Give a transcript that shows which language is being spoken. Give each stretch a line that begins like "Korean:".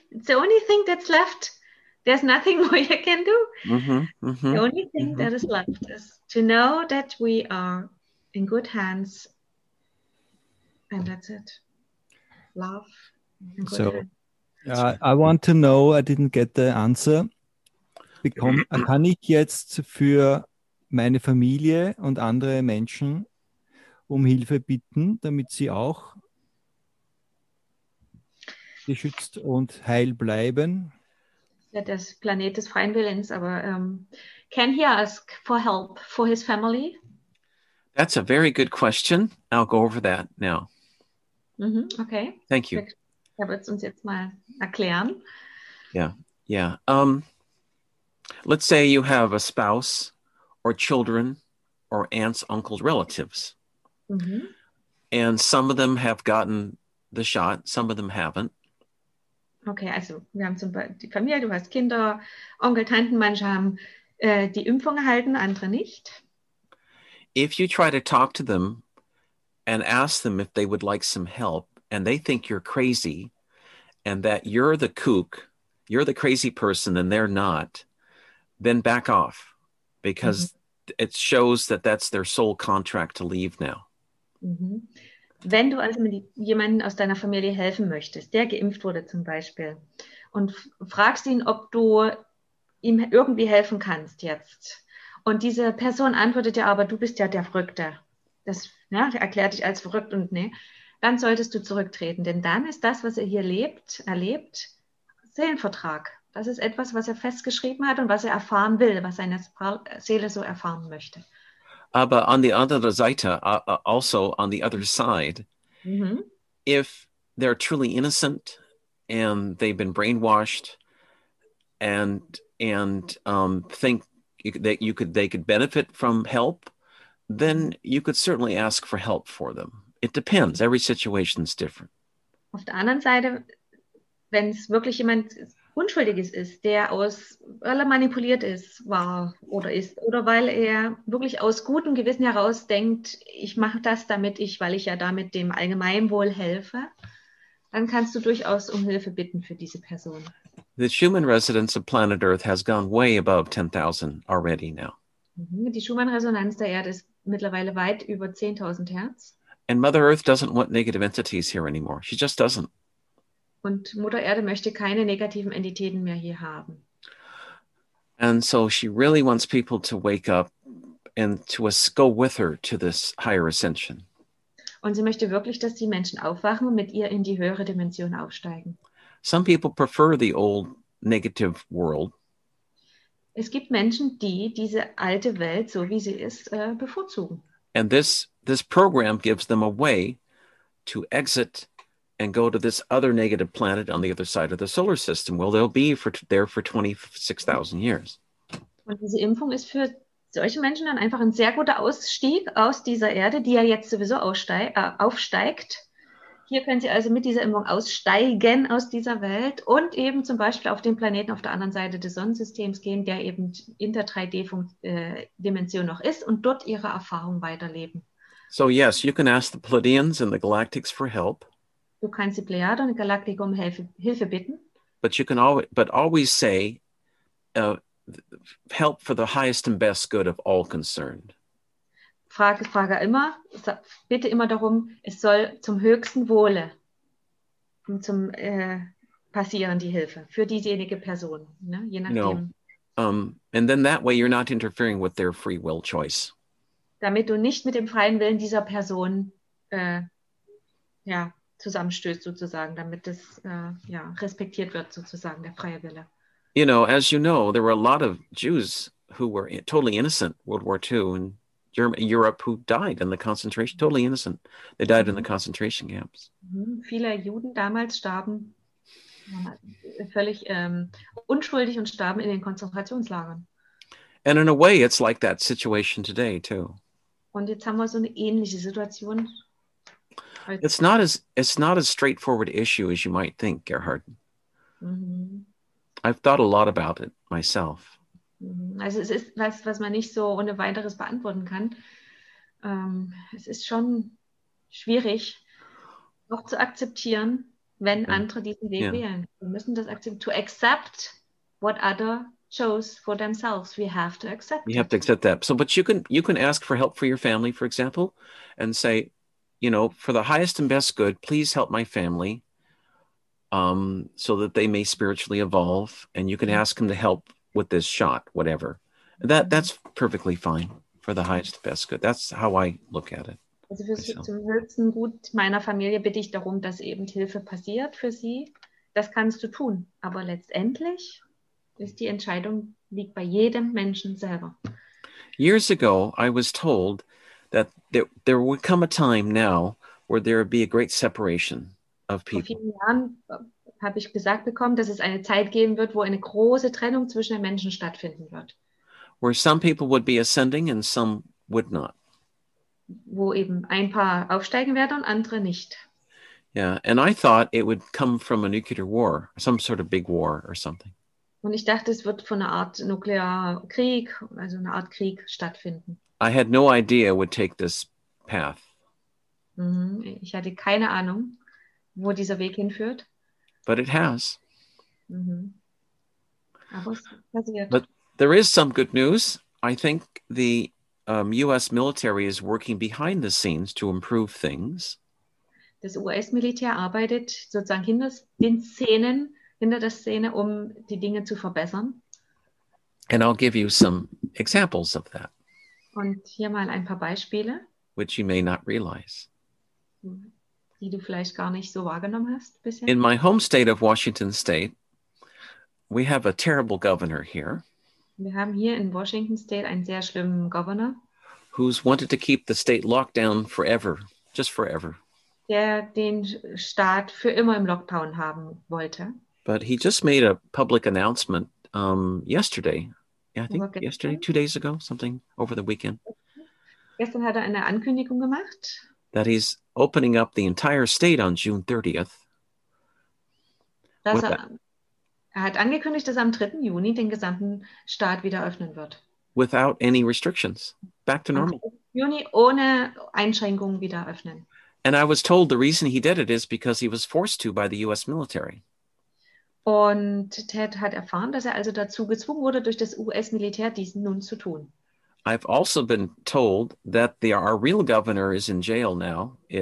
English: It's the only thing that's left. There's nothing more you can do. Mm-hmm, mm-hmm, the only thing mm-hmm. that is left is to know that we are in good hands. And that's it. Love. So I want to know, I didn't get the answer.
German: Kann ich jetzt für meine Familie und andere Menschen um Hilfe bitten, damit sie auch geschützt und heil bleiben? Ja, das Planet des freien Willens, aber
English: can he ask for help for his family? That's a very good question. I'll go over that now. Mm-hmm, okay. Thank you.
German: Er wird es uns jetzt mal erklären.
English: Yeah, yeah. Let's say you have a spouse or children or aunts, uncles, relatives. Mm-hmm. And some of them have gotten the shot, some of them haven't.
German: Okay, also wir haben zum Beispiel die Familie, du hast Kinder, Onkel, Tanten, manche haben die Impfung erhalten, andere nicht.
English: If you try to talk to them and ask them if they would like some help and they think you're crazy and that you're the kook, you're the crazy person and they're not, then back off because mm-hmm. it shows that that's their sole contract to leave now. Mm-hmm.
German: Wenn du also jemanden aus deiner Familie helfen möchtest, der geimpft wurde zum Beispiel, und fragst ihn, ob du ihm irgendwie helfen kannst jetzt, und diese Person antwortet dir aber, du bist ja der Verrückte, das ja, erklärt dich als verrückt und ne, dann solltest du zurücktreten, denn dann ist das, was er hier lebt, erlebt, Seelenvertrag. Das ist etwas, was er festgeschrieben hat und was er erfahren will, was seine Seele so erfahren möchte.
English: But on the other side, also on the other side, mm-hmm. if they're truly innocent and they've been brainwashed and think that they could benefit from help, then you could certainly ask for help for them. It depends. Every situation is different.
German: Auf der anderen Seite, wenn es wirklich jemand Unschuldiges ist, der aus, weil er manipuliert ist, war oder ist, oder weil er wirklich aus gutem Gewissen heraus denkt, ich mache das damit, weil ich ja damit dem Allgemeinwohl helfe, dann kannst du durchaus um Hilfe bitten für diese Person.
English: The Schumann-Resonanz of planet Earth has gone way above 10,000 already now.
German: Die Schumann-Resonanz der Erde ist mittlerweile weit über 10.000 Hertz.
English: And Mother Earth doesn't want negative entities here anymore. She just doesn't.
German: Und Mutter Erde möchte keine negativen Entitäten mehr hier haben.
English: And so she really wants people to wake up and to go with her to this higher ascension.
German: Und sie möchte wirklich, dass die Menschen aufwachen und mit ihr in die höhere Dimension aufsteigen.
English: Some people prefer the old negative world.
German: Es gibt Menschen, die diese alte Welt, so wie sie ist, bevorzugen.
English: And this program gives them a way to exit and go to this other negative planet on the other side of the solar system. Well, they'll be there for 26,000 years.
German: Und diese Impfung ist für solche Menschen dann einfach ein sehr guter Ausstieg aus dieser Erde, die ja jetzt sowieso aufsteigt. Hier können Sie also mit dieser Impfung aussteigen aus dieser Welt und eben zum Beispiel auf den Planeten auf der anderen Seite des Sonnensystems gehen, der eben in der 3D-Dimension noch ist und dort Ihre Erfahrung weiterleben.
English: So yes, you can ask the Pleiadians and the Galactics for help.
German: Du kannst die Plejaden und die Galaktik um Hilfe bitten.
English: But you can always say help for the highest and best good of all concerned.
German: Frage immer, bitte immer darum, es soll zum höchsten Wohle und zum passieren die Hilfe für diejenige Person, ne? Je nachdem.
English: No. And then that way you're not interfering with their free will choice.
German: Damit du nicht mit dem freien Willen dieser Person zusammenstößt, sozusagen, damit das respektiert wird, sozusagen, der freie Wille.
English: You know, as you know, there were a lot of Jews who were totally innocent, World War II in Europe, who died in the concentration, totally innocent. They died in the concentration camps.
German: Viele Juden damals starben völlig unschuldig und starben in den Konzentrationslagern.
English: And in a way, it's like that situation today, too.
German: Und jetzt haben wir so eine ähnliche Situation.
English: It's not as straightforward issue as you might think, Gerhard. I've thought a lot about it myself.
German: Also es ist was man nicht so ohne weiteres beantworten kann. Es ist schon schwierig, auch zu akzeptieren, wenn andere diesen Weg wählen. Wir müssen das akzeptieren.
English: To accept what other chose for themselves, we have to accept. You have to accept that. So, but you can ask for help for your family, for example, and say, you know, for the highest and best good, please help my family, so that they may spiritually evolve. And you can ask them to help with this shot, whatever. That's perfectly fine for the highest best good. That's how I look at it.
German: Also zum höchsten Gut meiner Familie bitte ich darum, dass eben Hilfe passiert für sie. Das kannst du tun, aber letztendlich ist die Entscheidung liegt bei jedem Menschen selber.
English: Years ago, I was told that there would come a time now where there would be a great separation of people.
German: Vor vielen Jahren habe ich gesagt bekommen, dass es eine Zeit geben wird, wo eine große Trennung zwischen den Menschen stattfinden wird.
English: Where some people would be ascending and some would not.
German: Wo eben ein paar aufsteigen werden und andere nicht.
English: Yeah, and I thought it would come from a nuclear war, some sort of big war or something.
German: Und ich dachte, es wird von einer Art Nuklearkrieg, also einer Art Krieg stattfinden.
English: I had no idea it would take this path.
German: Ich hatte keine Ahnung, wo dieser Weg hinführt.
English: But it has.
German: Aber es passiert.
English: But there is some good news. I think the US military is working behind the scenes to improve things.
German: Das US-Militär arbeitet sozusagen hinter den Szenen, hinter der Szene, um die Dinge zu verbessern.
English: And I'll give you some examples of that.
German: Und hier mal ein paar Beispiele.
English: Which you may not realize.
German: Die du vielleicht gar nicht so wahrgenommen hast bisher.
English: In my home state of Washington State, we have a terrible governor here.
German: Wir haben hier in Washington State einen sehr schlimmen Governor.
English: Who's wanted to keep the state locked down forever, just forever.
German: Der den Staat für immer im Lockdown haben wollte.
English: But he just made a public announcement yesterday. Yeah, I think yesterday, 2 days ago, something over the weekend.
German: Gestern hat eine Ankündigung gemacht.
English: That he's opening up the entire state on June 30th.
German: Er hat angekündigt, dass am 3. Juni den gesamten Staat wieder öffnen wird.
English: Without any restrictions. Back to normal.
German: Juni ohne Einschränkungen wieder öffnen.
English: And I was told the reason he did it is because he was forced to by the US military.
German: Und Ted hat erfahren, dass er also dazu gezwungen wurde, durch das US-Militär dies nun zu tun.
English: I've also been told that our real governor is in jail now.